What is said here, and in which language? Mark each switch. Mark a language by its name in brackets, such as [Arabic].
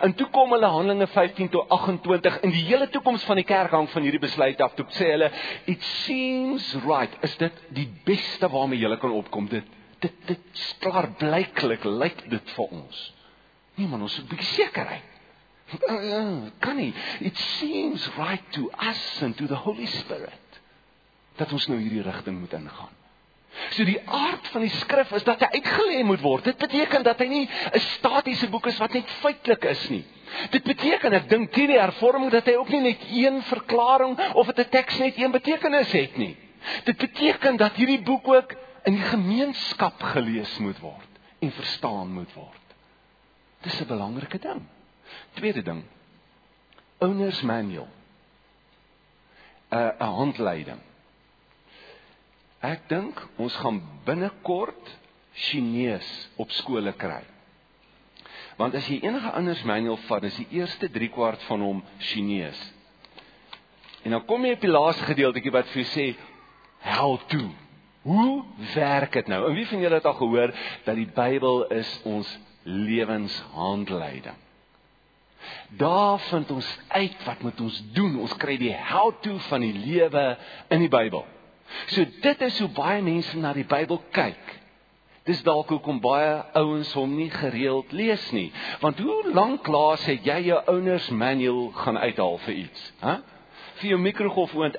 [Afrikaans] En toe kom hulle Handelinge 15 tot 28. In die hele toekoms van die kerk hang van hierdie besluit af. Toe sê hulle, [English] it seems right. [Afrikaans] Is dit die beste waarmee julle kan opkom? Dit klaar blyklik lyk dit vir ons. Nee man, ons is 'n bietjie sekerheid. Kan nie. [English] It seems right to us and to the Holy Spirit. [Afrikaans] Dat ons nou hierdie rigting moet ingaan. So die aard van die skrif is dat hy uitgelê moet word. Dit beteken dat hy nie 'n statiese boek is wat net feitelik is nie. Dit beteken, ek dink hierdie hervorming, dat hy ook nie net een verklaring of dat 'n teks net een betekenis het nie. Dit beteken dat hierdie boek ook in die gemeenskap gelees moet word en verstaan moet word. Dis 'n belangrike ding. Tweede ding, Owner's Manual. 'n Handleiding. Ek dink ons gaan binnekort Chinees op skole kry. Want as jy enige anders manual vat, is die eerste 3/4 van hom Chinees. En dan kom jy op die laaste gedeeltetjie wat vir jou sê, [English] how to. [Afrikaans] Hoe werk dit nou? En wie van julle het al gehoor dat die Bybel is ons lewenshandleiding? Daar vind ons uit wat moet ons doen. Ons kry die [English] how to [Afrikaans] van die lewe in die Bybel. So dit is hoe baie mense na die Bybel kyk. Dis dalk hoekom baie ouens hom nie gereeld lees nie. Want hoe lank laas het jy jou Owner's Manual gaan uithaal vir iets? Ha? Vir jou mikrogolfoond.